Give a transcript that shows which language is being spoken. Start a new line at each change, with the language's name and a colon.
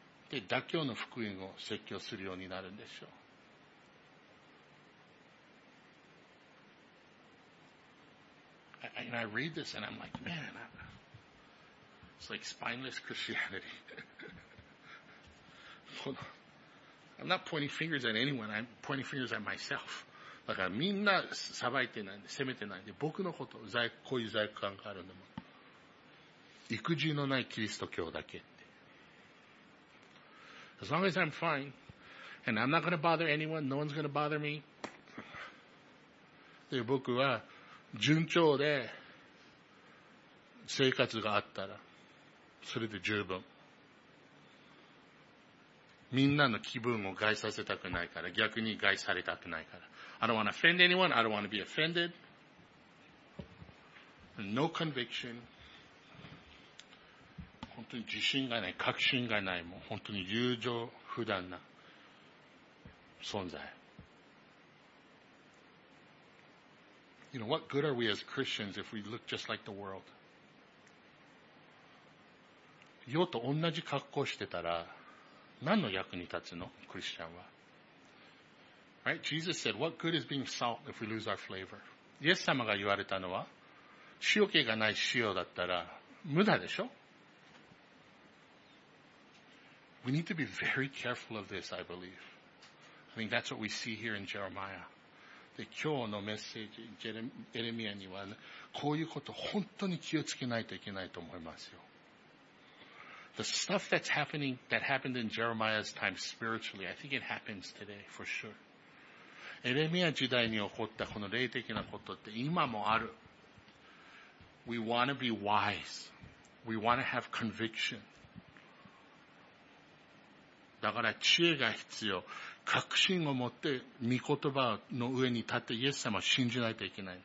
Japanese: で、妥協の福音を説教するようになるんでしょう。
English: And I read this and I'm like, man, it's like spineless Christianity. I'm not pointing fingers at anyone, I'm pointing fingers at myself.
Japanese: だからみんな裁いてないんで、責めてないんで、僕のこと、こういう罪悪感があるんだもん。育児のないキリスト教だけって。
English: As long as I'm fine, and I'm not going to bother anyone, no one's going to bother me.
Japanese: で、僕は、順調で生活があったらそれで十分。みんなの気分を害させたくないから、逆に害されたくないから。
English: I don't want to offend anyone. I don't want to be offended. No conviction.
Japanese: 本当に自信がない、確信がない、もう本当に友情不断な存在。
English: You know, what good are we as Christians if we look just like the world?
Japanese: 世と同じ格好してたら何の役に立つの、クリスチャンは。
English: Right? Jesus said, what good is being salt if we lose our flavor?
Japanese: イエス様が言われたのは、塩気がない塩だったら無駄でしょ。
English: We need to be very careful of this, I believe. I think that's what we see here in Jeremiah.
Japanese: で、今日のメッセージ、エレミアには、ね、こういうこと本当に気をつけないといけないと思いますよ。
English: The stuff that's happening, that happened in Jeremiah's time spiritually, I think it happens today, for sure.
Japanese: エレミア時代に起こったこの霊的なことって今もある。
English: We want to be wise. We want to have conviction.
Japanese: だから知恵が必要。確信を持って御言葉の上に立ってイエス様を信じないといけない。